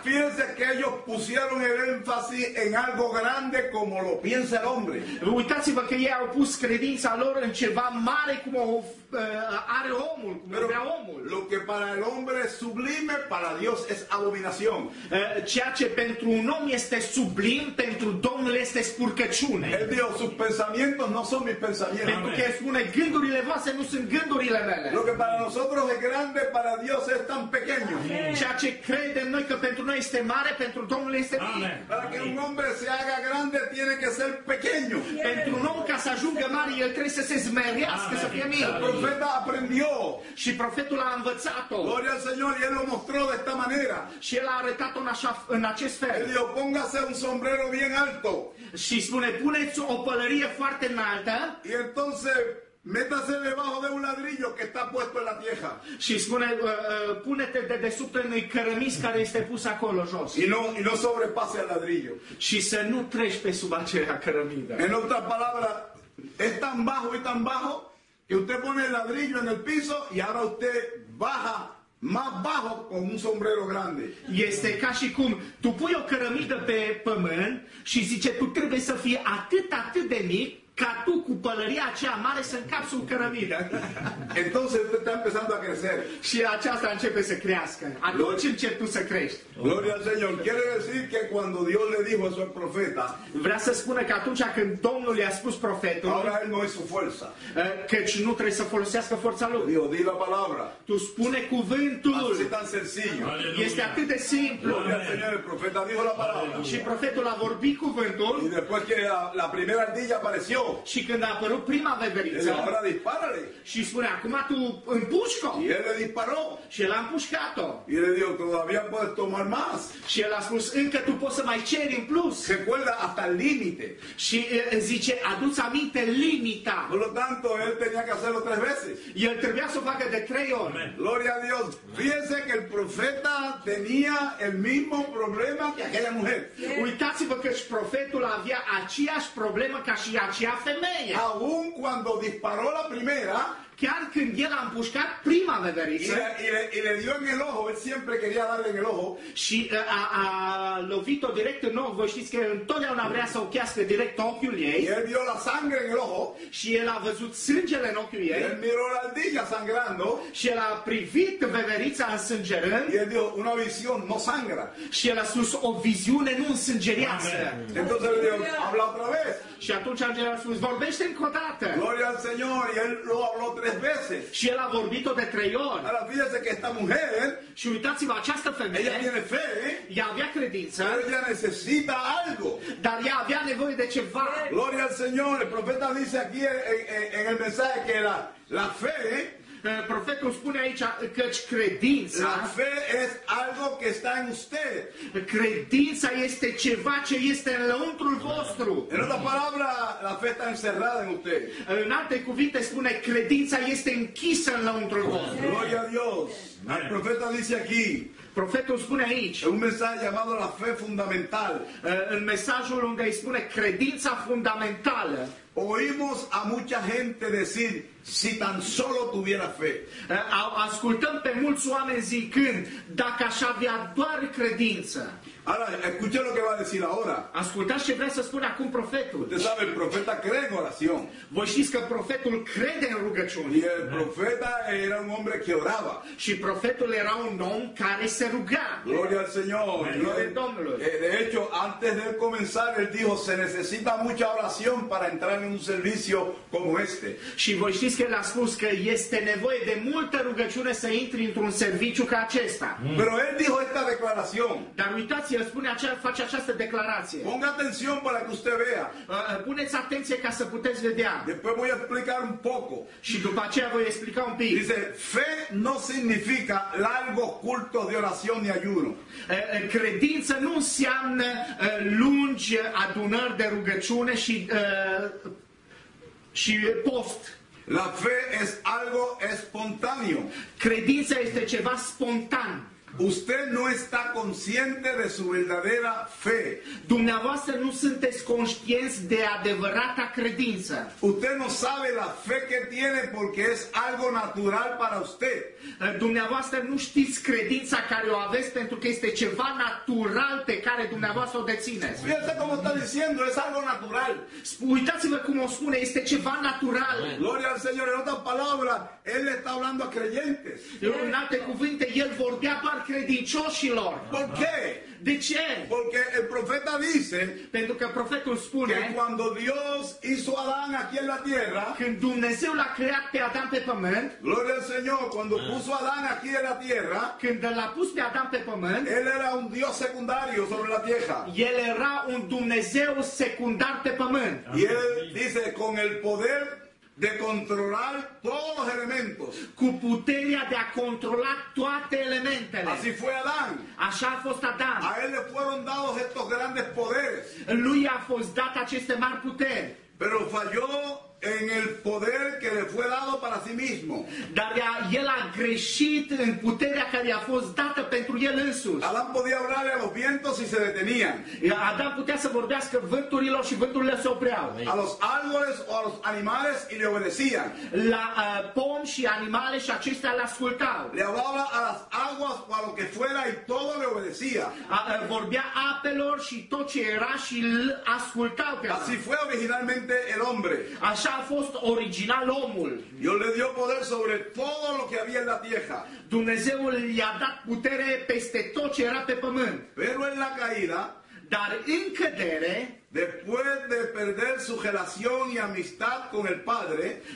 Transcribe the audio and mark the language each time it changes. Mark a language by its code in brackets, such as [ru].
[es] Fíjense que ellos pusieron el énfasis en algo grande como lo piensa el hombre. [ro] Uitați-vă că ei au pus credința lor în ceva mare cum o are omul, cum [es] pero [ro] vrea omul. [es] Lo que para el hombre es sublime, para Dios es abominación. [ro] Ceea ce pentru un om este sublim, pentru Domnul este spurcăciune. [es] El dijo, sus pensamientos no son mis pensamientos. [ro] Pentru că spune, gândurile voastre nu sunt gândurile mele. [es] Lo que para nosotros es grande, para Dios es tan pequeño. Amen. [ro] Ceea ce credem noi că pentru noi este mare, pentru Domnul este mic. Amen. [es] Para que un hombre se haga grande, tiene que ser pequeño. [en] Yeah. [ro] Pentru un om ca să ajungă mare, el trebuie să se zmerească, să fie mic. [es] Profeta aprendió. [ro] Și profetul a învățat-o. [es] Gloria al Señor, y él lo mostró de esta manera. [ro] Și el a arătat-o în acest fel. [es] El dijo, póngase un sombrero bien alto. [ro] Și spune, puneți o pălărie foarte înaltă. [es] Y entonces, métase debajo de un ladrillo que está puesto en la tierra. [ro] Și spune, pune-te dedesubt unui cărămiz care este pus acolo jos. [es] Y no sobrepase el ladrillo. [ro] Și să nu treci pe sub acea cărămidă. [es] En otra palabra, es tan bajo y tan bajo. Y usted pone el ladrillo en el piso y ahora usted baja más bajo con un sombrero grande. Y este casi como tú [ro] pui o cărămidă pe pământ și zice tu trebuie să fii atât de mic ca tu cu pălăria aceea mare să încapsi un cărămidă. [es] Entonces usted está empezando a crecer. [ro] Și aceasta începe să crească. Atunci începi tu să crești. [es] Gloria al Señor. Quiere decir que cuando Dios le dijo a su profeta. [ro] Vrea să spună că atunci când Domnul i-a spus profetului. [es] Ahora él no es su fuerza. [ro] Căci nu trebuie să folosească forța lui. [es] Dio, di la palabra. [ro] Tu spune cuvântul. [es] Así tan sencillo. [ro] Y este atât de simplu. [es] Gloria al Señor, el profeta dijo la palabra. [ro] Aleluia. Și profetul a vorbit cuvântul. [es] Y después que la primera ardilla apareció. [ro] Și când a apărut prima veveriță. El a disparat. Și spune, acum tu împușcă. [es] Y él le disparó. [ro] Și el a împușcat-o. [es] Y le dijo, todavía puedes tomar. Más. [ro] Și el a spus, încă tu poți să mai ceri în plus. [es] Recuerda hasta el límite. [ro] Și zice, adu-ți aminte limita. [es] Por lo tanto, él tenía que hacerlo tres veces. [ro] Y el trebuia să o facă de trei ori. Amen. [es] Gloria a Dios. Amen. Fíjense que el profeta tenía el mismo problema que aquella mujer. [en] Yeah. [ro] Uitați-vă că și profetul avea aceeași problemă ca și acea femeie. [es] Aun cuando disparó la primera. [ro] Chiar când el a împușcat prima veveriță. [es] Y le dio en el ojo, él siempre quería darle en el ojo. [ro] Și a lovit-o direct în ochi, vă știți că întotdeauna vrea să ochească direct ochiul ei. [es] Y él vio la sangre en el ojo. [ro] Și el a văzut sângele în ochiul ei. [es] Y él miró la ardilla sangrando. [ro] Și el a privit veverița însângerând. [es] Y él dijo, una visión no sangra. [ro] Și el a spus, o viziune nu însângerează. [es] Entonces le dijo, habla otra vez. [ro] Și atunci îngerul a spus, vorbește încă o dată. [es] Gloria al Señor, y él lo habló tres veces. [ro] Și el a vorbit-o de trei ori. [es] Ahora fíjese que esta mujer. [ro] Și uitați-vă, această femeie. [es] Ella tiene fe. [ro] Ea avea credință. [es] Ella necesita algo. [ro] Dar ea avea nevoie de ceva. [es] Gloria al Señor, el profeta dice aquí en el mensaje que la fe. [ro] Profetul spune aici căci credința. [es] La fe es algo que está en usted. [ro] Credința este ceva ce este în lăuntrul vostru. [es] En otra palabra, la fe está encerrada en usted. [ro] În alte cuvinte spune credința este închisă în lăuntrul vostru. [es] Gloria a Dios. El profeta dice aquí. [ro] Profetul spune aici. [es] Un mesaj llamado la fe fundamental. [ro] În mesajul unde îi spune credința fundamentală. [es] Oímos a mucha gente decir, si tan solo tuviera fe. [ro] Ascultăm pe mulți oameni zicând, dacă aș avea doar credință. [es] Ahora, escuche lo que va a decir ahora. [ro] Ascultați ce vrea să spune acum profetul. [es] Usted sabe, el profeta cree en oración. [ro] Voi știți că profetul crede în rugăciune. [es] Y el profeta era un hombre que oraba. [ro] Și profetul era un om care se ruga. [es] Gloria al Señor. [ro] Gloria al Domnului. [es] De hecho, antes de comenzar, él dijo, se necesita mucha oración para entrar en un servicio como este. [ro] Și voi știți că el a spus că este nevoie de multă rugăciune să intri într-un serviciu ca acesta. [es] Pero él dijo esta declaración. [ro] Dar uitați, el spune acea, face această declarație. [es] Ponga atención para que usted vea. [ro] Puneți atenție ca să puteți vedea. [es] Después voy a explicar un poco. [ro] Și după aceea voi explica un pic. [es] Dice, fe no significa largo culto de oración y ayuno. [ro] Credință nu înseamnă lungi adunări de rugăciune și și post. [es] La fe es algo espontáneo. [ro] Credința este ceva spontan. [es] Usted no está consciente de su verdadera fe. [ro] Dumneavoastră nu sunteți conștienți de adevărata credință. [es] Usted no sabe la fe que tiene porque es algo natural para usted. [ro] Dumneavoastră nu știți credința care o aveți pentru că este ceva natural pe care dumneavoastră o dețineți. [es] Fíjate cómo está diciendo, es algo natural. [ro] Uitați-vă cum o spune, este ceva natural. [es] Gloria al Señor, en otras palabras, él le está hablando a creyentes. [ro] În alte cuvinte, el vorbea credincioșilor. [es] ¿Por qué? [ro] De ce? [es] Porque el profeta dice, [ro] pentru că profetul spune, [es] que cuando Dios hizo a Adán aquí en la tierra, [ro] când Dumnezeu l-a creat pe Adam pe pământ, [es] gloria al Señor, cuando puso a Adán aquí en la tierra, [ro] când l-a pus pe Adam pe pământ, [es] él era un Dios secundario sobre la tierra. [ro] El era un Dumnezeu secundar pe pământ. [es] Y él dice, con el poder de controlar todos los elementos. [ro] Cu puterea de a controla toate elementele. [es] Así fue Adán. [ro] Așa a fost Adam. [es] A él le fueron dados estos grandes poderes. [ro] Lui a fost dat aceste mari puteri. [es] Pero falló en el poder que le fue dado para sí mismo. [ro] Dar el a greșit în puterea care i-a fost dată pentru el însuși. [es] Adam podía hablar a los vientos y se detenían. [ro] Adam putea să vorbească vânturilor și vânturile se opreau. [es] A los árboles o a los animales y le obedecían. [ro] La pom și animale și acestea le ascultau. [es] Le hablaba a las aguas o a lo que fuera y todo le obedecía. [ro] Vorbea apelor și tot ce era și ascultau pe [es] Adam. Así fue originalmente el hombre. [ro] Așa a fost original omul. [es] Dios le dio poder sobre todo lo que había en la tierra. [ro] Dumnezeu i-a dat putere peste tot ce era pe pământ. [es] Pero en la caída, [ro] dar în cădere, [es] después de perder su relación y amistad con el Padre,